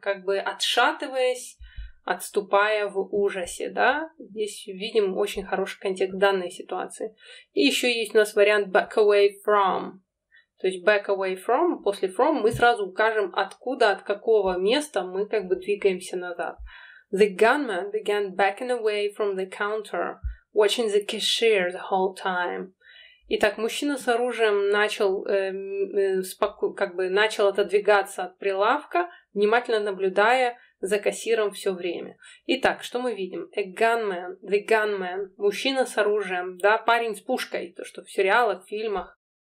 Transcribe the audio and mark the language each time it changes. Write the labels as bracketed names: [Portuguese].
[Russian] Как бы отшатываясь, отступая в ужасе, да? Здесь видим очень хороший контекст данной ситуации. И еще есть у нас вариант [English] back away from. [Russian] То есть [English] back away from, [Russian] после from мы сразу укажем, откуда, от какого места мы как бы двигаемся назад. [English] The gunman began backing away from the counter, watching the cashier the whole time. [Russian] Итак, мужчина с оружием начал, начал отодвигаться от прилавка, внимательно наблюдая за кассиром все время. Итак, что мы видим? [English] A gunman, the gunman, [Russian] мужчина с оружием, да, парень с пушкой, то, что в сериалах, в фильмах.